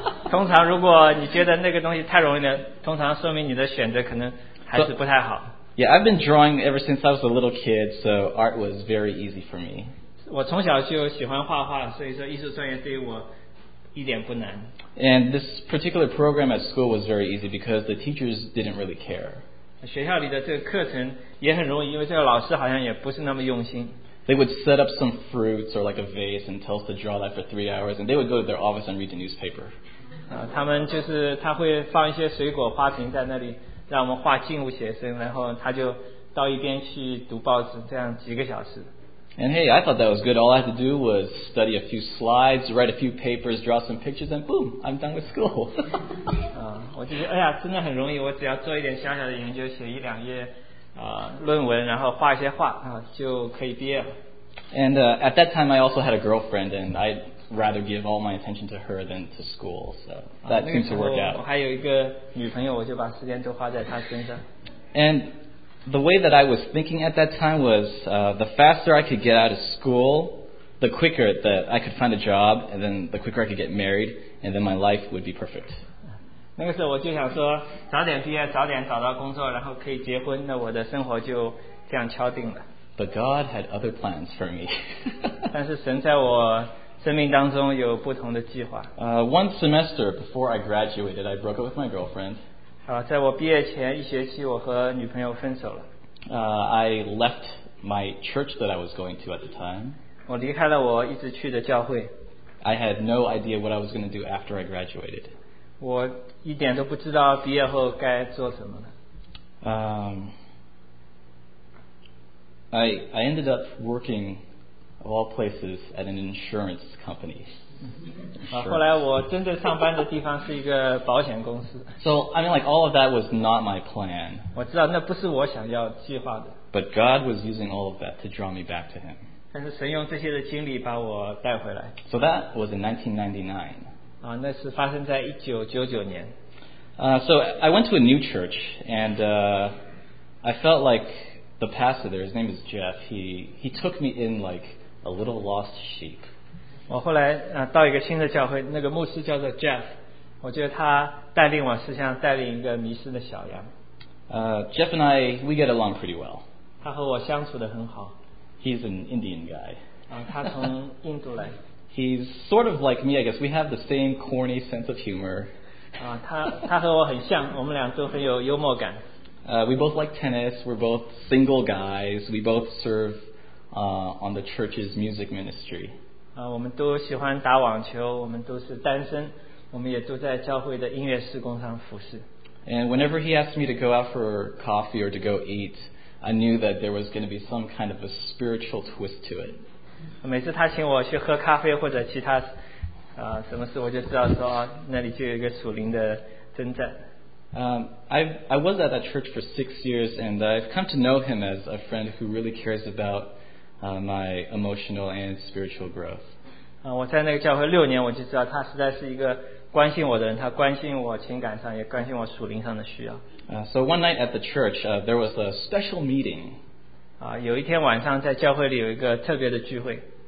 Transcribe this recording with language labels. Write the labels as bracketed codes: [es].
[zh] 通常如果你觉得那个东西太容易了，通常说明你的选择可能还是不太好。 [en] Yeah, I've been drawing ever since I was a little kid, so art was very easy for me. [zh] 我从小就喜欢画画，所以说艺术专业对于我一点不难。 [en] And this particular program at school was very easy because the teachers didn't really care. [zh] 学校里的这个课程也很容易，因为这个老师好像也不是那么用心。 [en] They would set up some fruits or like a vase and tell us to draw that for 3 hours, and they would go to their office and read the newspaper. [zh] 他们就是他会放一些水果花瓶在那里。让我们画静物写生，然后他就到一边去读报纸，这样几个小时。 [en] And hey, I thought that was good. All I had to do was study a few slides, write a few papers, draw some pictures, and boom, I'm done with school. [zh] 我就觉得哎呀，真的很容易。我只要做一点小小的研究，写一两页论文，然后画一些画就可以毕业了。 [en] And at that time, I also had a girlfriend, and I'd rather give all my attention to her than to school, so that seems to work out. [zh] 我还有一个女朋友，我就把时间都花在她身上。 [en] And the way that I was thinking at that time was, the faster I could get out of school, the quicker that I could find a job, and then the quicker I could get married, and then my life would be perfect. [zh] 那个时候我就想说，早点毕业，早点找到工作，然后可以结婚，那我的生活就这样敲定了。 [en] But God had other plans for me. [zh] 但是神在我生命当中有不同的计划。 [en] One semester before I graduated, I broke up with my girlfriend. [zh] 在我毕业前一学期，我和女朋友分手了。 [en] I left my church that I was going to at the time. [zh] 我离开了我一直去的教会。 [en] I had no idea what I was going to do after I graduated. [zh] 我一点都不知道毕业后该做什么了。 [en] I ended up working, of all places, at an insurance company. Insurance. [zh] 后来我真正上班的地方是一个保险公司。 [en] So, I mean, like, all of that was not my plan. [zh] 我知道那不是我想要计划的。 [en] But God was using all of that to draw me back to Him. [zh] 但是神用这些的经历把我带回来。 [en] So that was in 1999. [zh] 那是发生在1999年。 [en] So, I went to a new church, and I felt like the pastor there, his name is Jeff, he took me in like a little lost sheep. [zh] 我后来到一个新的教会，那个牧师叫做 Jeff， 我觉得他带领我是像带领一个迷失的小羊。 [en] Jeff and I, we get along pretty well. [zh] 他和我相处得很好。 [en] He's an Indian guy. [zh] 他从印度来。 [en] He's sort of like me, I guess. We have the same corny sense of humor. [zh] 他和我很像，我们俩都很有幽默感。 [en] We both like tennis, we're both single guys, we both serve on the church's music ministry. [zh] 我们都喜欢打网球，我们都是单身，我们也都在教会的音乐事工上服侍。 [en] And whenever he asked me to go out for coffee or to go eat, I knew that there was going to be some kind of a spiritual twist to it. [zh] 每次他请我去喝咖啡或者其他什么事，我就知道说那里就有一个属灵的征战。 [en] I was at that church for 6 years, and I've come to know him as a friend who really cares about my emotional and spiritual growth. [zh] 我在那个教会六年，我就知道他实在是一个关心我的人，他关心我情感上，也关心我属灵上的需要。 [en] So one night at the church, there was a special meeting. [zh] 有一天晚上在教会里有一个特别的聚会。